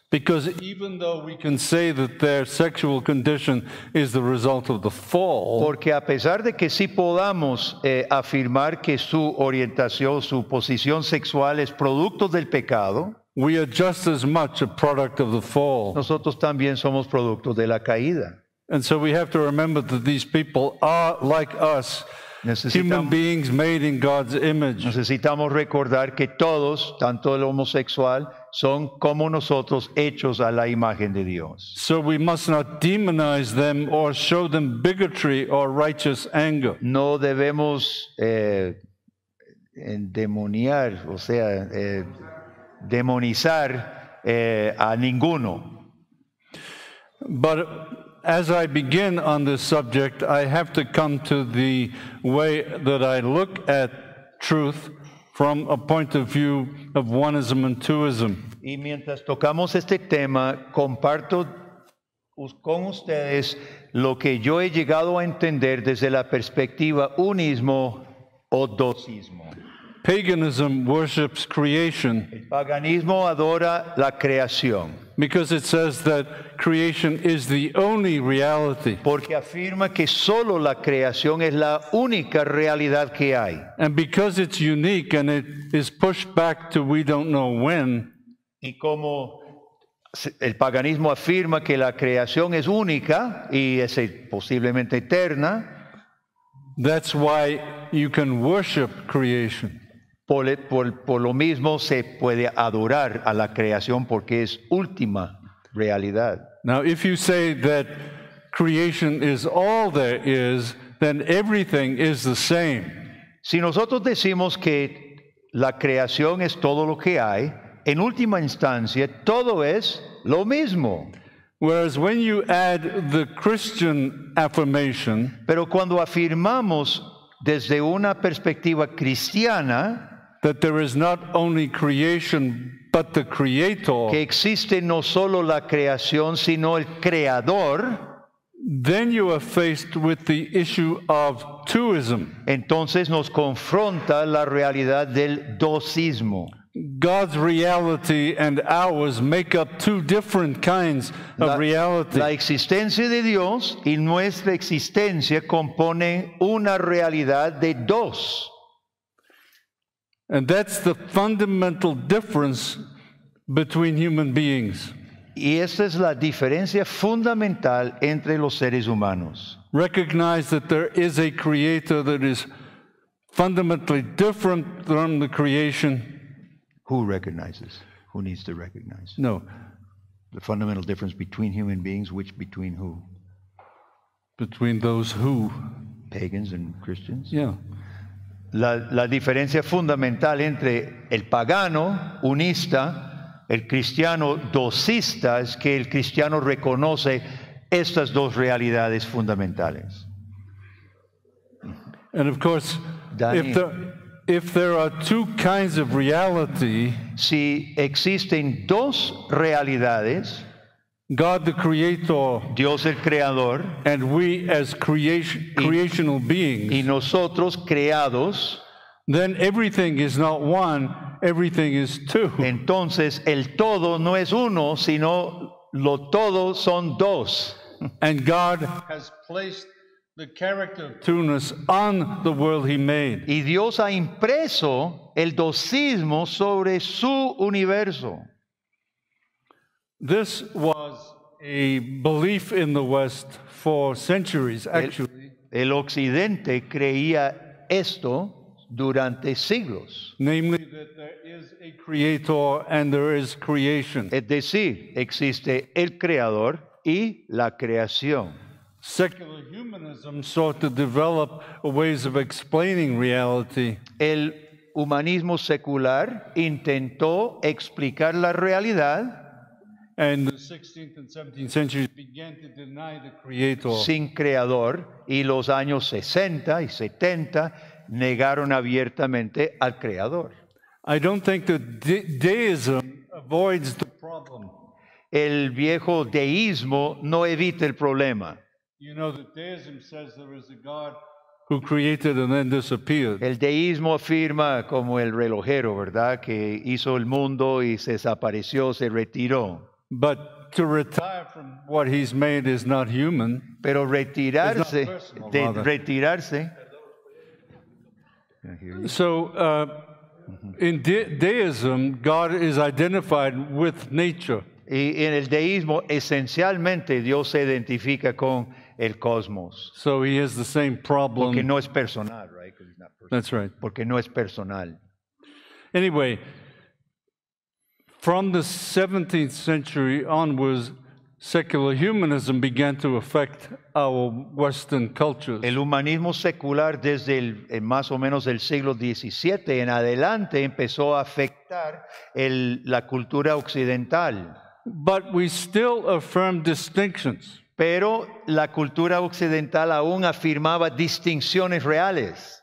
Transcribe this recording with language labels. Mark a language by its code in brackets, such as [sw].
[en] Because even though we can say that their sexual condition is the result of the fall. [es] Porque a pesar de que sí podamos afirmar que su orientación, su posición sexual es producto del pecado. [en] We are just as much a product of the fall. [es] Nosotros también somos producto de la caída. [en] And so we have to remember that these people are like us, human beings made in God's image. [es] Necesitamos recordar que todos, tanto el homosexual, son como nosotros, hechos a la imagen de Dios. [en] So we must not demonize them or show them bigotry or righteous anger. [es] No debemos endemoniar, o sea, demonizar a ninguno. [en] But as I begin on this subject, I have to come to the way that I look at truth from a point of view of oneism and twoism. [es] Y mientras tocamos este tema, comparto con ustedes lo que yo he llegado a entender desde la perspectiva unismo o dosismo. [en] Paganism worships creation. [es] El paganismo adora la creación. [en] Because it says that creation is the only reality. [es] Porque afirma que solo la creación es la única realidad que hay. [en] And because it's unique and it is pushed back to we don't know when. [es] Y como el paganismo afirma que la creación es única y es posiblemente eterna. [en] That's why you can worship creation. [es] Por lo mismo se puede adorar a la creación porque es última realidad. [en] Now, if you say that creation is all there is, then everything is the same. [es] Si nosotros decimos que la creación es todo lo que hay, en última instancia todo es lo mismo. [en] Whereas when you add the Christian affirmation, [es] pero cuando afirmamos desde una perspectiva cristiana, [en] that there is not only creation, but the Creator. [es] Que existe no solo la creación, sino el Creador. [en] Then you are faced with the issue of twoism. [es] Entonces nos confronta la realidad del dosismo. [en] God's reality and ours make up two different kinds of reality. [es] La existencia de Dios y nuestra existencia componen una realidad de dos. [en] And that's the fundamental difference between human beings. [es] Y esa es la diferencia fundamental entre los seres humanos. [en] Recognize that there is a creator that is fundamentally different from the creation. Who recognizes? Who needs to recognize? No. The fundamental difference between human beings, which between who? Between those who? Pagans and Christians? Yeah. [es] La diferencia fundamental entre el pagano unista, el cristiano dosista, es que el cristiano reconoce estas dos realidades fundamentales. [en] And of course, Daniel, if there are two kinds of reality, [es] si existen dos realidades, [en] God the Creator, [es] Dios el Creador, [en] and we as creational beings, [es] y nosotros creados, [en] then everything is not one, everything is two. [es] Entonces, el todo no es uno, sino lo todo son dos. [en] And God has placed the character two-ness on the world he made. [es] Y Dios ha impreso el dosismo sobre su universo. [en] This was a belief in the West for centuries, actually. [es] El occidente creía esto durante siglos. [en] Namely, that there is a creator and there is creation. [es] Es decir, existe el creador y la creación. [en] Secular humanism sought to develop ways of explaining reality. [es] El humanismo secular intentó explicar la realidad. [en] And the 16th and 17th centuries began to deny the creator. [es] Sin creador, y los años 60 y 70 negaron abiertamente al creador. [en] I don't think that deism avoids the problem. [es] El viejo deísmo no evita el problema. [en] You know that deism says there is a God who created and then disappeared. [es] El deísmo afirma, como el relojero, ¿verdad?, que hizo el mundo y se desapareció, se retiró. [en] But to retire from what he's made is not human. [es] Pero retirarse, [en] not personal, [es] de retirarse. [en] So, in deism, God is identified with nature. [es] Y en el deísmo, esencialmente, Dios se identifica con el cosmos. [en] So he has the same problem. [es] Porque no es personal, [en] right? Because he's not personal. That's right. [es] Porque no es personal. [en] Anyway. From the 17th century onwards, secular humanism began to affect our Western cultures. [es] El humanismo secular desde más o menos el siglo XVII en adelante empezó a afectar la cultura occidental. [en] But we still affirm distinctions. [es] Pero la cultura occidental aún afirmaba distinciones reales.